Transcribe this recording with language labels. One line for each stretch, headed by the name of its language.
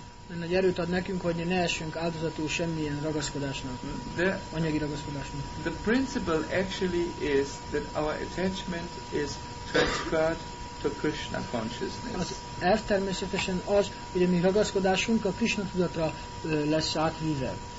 Hungarian: Ennek erőt ad nekünk, hogy ne essünk áldozatul semmilyen ragaszkodásnak, anyagi ragaszkodásnak.
English: The principle actually is that our attachment is transferred to Krishna consciousness.
Hungarian: Az elv természetesen az, hogy a mi ragaszkodásunk a Krishna tudatra lesz átvéve.